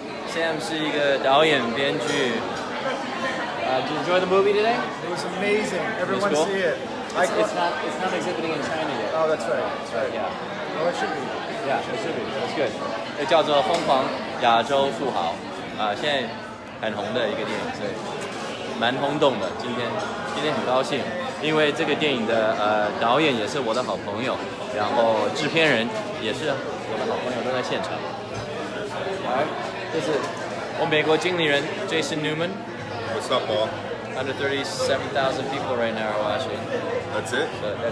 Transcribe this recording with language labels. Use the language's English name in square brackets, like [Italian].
[English] Sam [Chinese] 是一个导演编剧， [English] did you enjoy the movie today？ It was amazing， everyone cool? see it。 It's not exhibiting in China yet. Oh, that's right. Yeah. Oh, it should be. Yeah, it should be. That's good. [Chinese] 又叫做《疯狂亚洲富豪》，啊，现在很红的一个电影，所以蛮轰动的。今天很高兴，因为这个电影的导演也是我的好朋友，然后制片人也是我的好朋友，都在现场。 [English] Alright, [Chinese] 这是我美国经理人 Jason Newman. [English] What's up, Paul? 137,000 people right now are watching.